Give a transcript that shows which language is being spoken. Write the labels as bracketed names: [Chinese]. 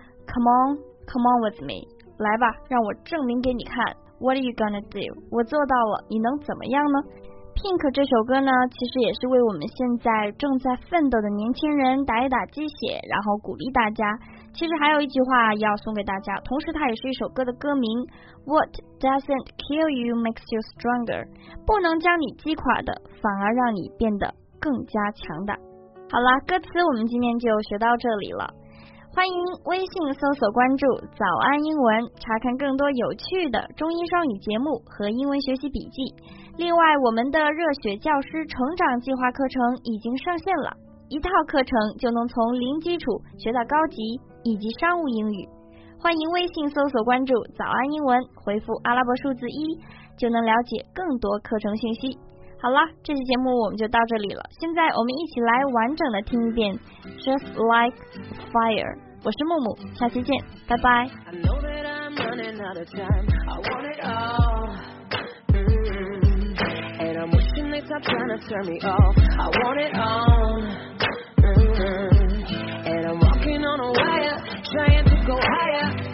[English] Come on, come on with me. [Chinese] 来吧，让我证明给你看。 [English] What are you gonna do? [Chinese] 我做到了，你能怎么样呢？Pink 这首歌呢，其实也是为我们现在正在奋斗的年轻人打一打鸡血，然后鼓励大家。其实还有一句话要送给大家，同时它也是一首歌的歌名。 [English] What doesn't kill you makes you stronger. [Chinese] 不能将你击垮的，反而让你变得更加强大。好了，歌词我们今天就学到这里了。欢迎微信搜索关注早安英文，查看更多有趣的中英双语节目和英文学习笔记。另外，我们的热血教师成长计划课程已经上线了，一套课程就能从零基础学到高级以及商务英语。欢迎微信搜索关注早安英文，回复阿拉伯数字一就能了解更多课程信息。好了，这期节目我们就到这里了。现在我们一起来完整的听一遍 Just Like Fire。我是木木，下期见，拜拜。 [English] I know that I'm running out of time. I want it all、And I'm wishing they stop trying to turn me off. I want it all、And I'm walking on a wire, trying to go higher.